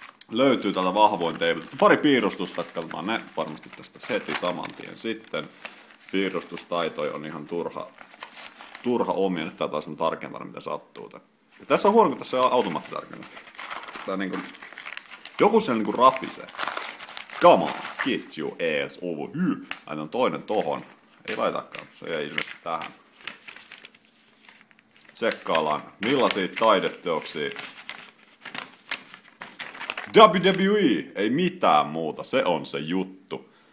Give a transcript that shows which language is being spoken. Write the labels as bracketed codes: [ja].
[fi] Löytyy tältä vahvoin teivutusta. Pari piirustusta, katsotaan ne varmasti tästä heti saman tien sitten. Piirustustaitoi on ihan turha omia. Nyt tää taas on tarkentanut, mitä sattuu. Ja tässä on huono, kun tässä on automaattitarkennus. Tää niinku... Joku siellä niinku rapisee. [en] Come on, get your ass over here. [fi] Aina on toinen tohon. Ei laitakaan, se jäi ilmeisesti tähän. Tsekkaillaan, millaisia taideteoksia. WWE, ei mitään muuta, se on se juttu.